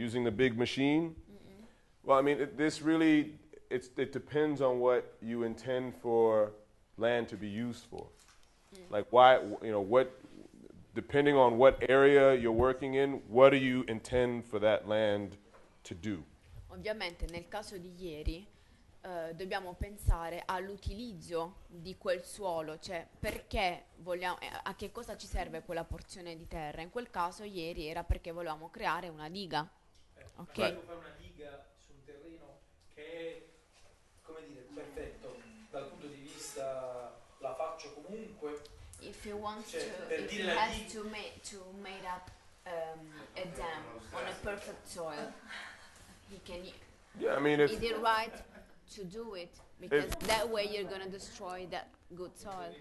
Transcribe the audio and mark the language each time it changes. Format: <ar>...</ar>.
<en>using the big machine. Mm-mm. Well, I mean, it depends on what you intend for land to be used for. Mm. Like why, you know, what, depending on what area you're working in, what do you intend for that land to do?</en> <it>Ovviamente nel caso di ieri dobbiamo pensare all'utilizzo di quel suolo, cioè perché vogliamo, a che cosa ci serve quella porzione di terra. In quel caso ieri era perché volevamo creare una diga. Ok. Per fare una diga su un terreno che è, come dire, perfetto dal punto di vista, la faccio comunque.</it> <en>If you want</en> <it>cioè,</it> <en>to, per if dire you have to made up a dam on a perfect soil. Yeah, I mean, if is it right to do it? Because that way you're gonna destroy that good soil.</en>